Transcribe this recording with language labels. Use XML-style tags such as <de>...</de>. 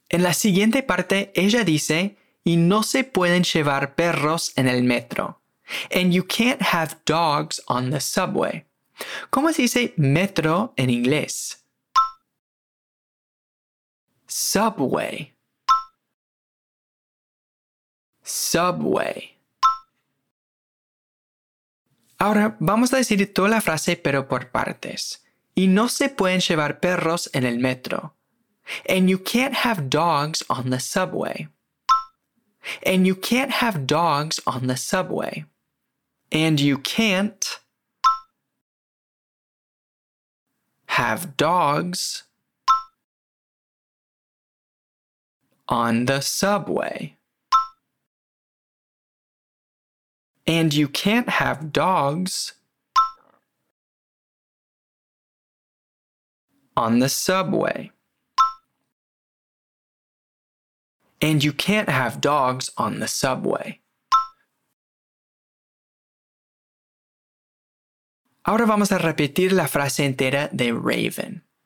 <es>En la siguiente parte, ella dice, y no se pueden llevar perros en el metro.</es> <en>And you can't have dogs on the subway.</en> <es>¿Cómo se dice metro en inglés?</es> <en>Subway. Subway.</en> <es>Ahora, vamos a decir toda la frase, pero por partes. Y no se pueden llevar perros en el metro.</es> <en>And you can't have dogs on the subway. And you can't have dogs on the subway. And you can't have dogs on the subway. And you can't have dogs on the subway. And you can't have dogs on the subway.</en> <es>Ahora vamos a repetir la frase entera de Raven.</es>